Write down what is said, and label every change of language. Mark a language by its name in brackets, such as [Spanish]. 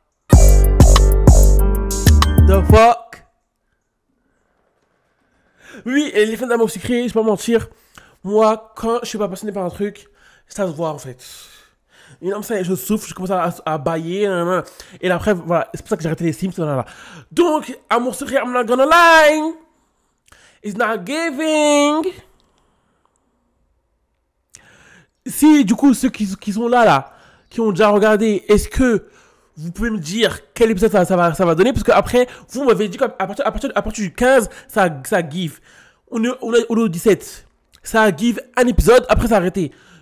[English] The fuck? [French] Oui, et les fans d'amour sucré, je vais pas mentir. Moi, quand je suis pas passionné par un truc, ça se voit en fait. Et non, ça, je souffle, je commence à bâiller. Et après, voilà, c'est pour ça que j'ai arrêté les Sims. Donc, amour sucré, [English] I'm not gonna lie. It's not giving. [French] Si, du coup, ceux qui sont là, qui ont déjà regardé, est-ce que. Vous pouvez me dire quel épisode ça va donner, parce que après, vous m'avez dit qu'à partir du 15, ça give. On est au 17. Ça give un épisode, après ça a arrêté.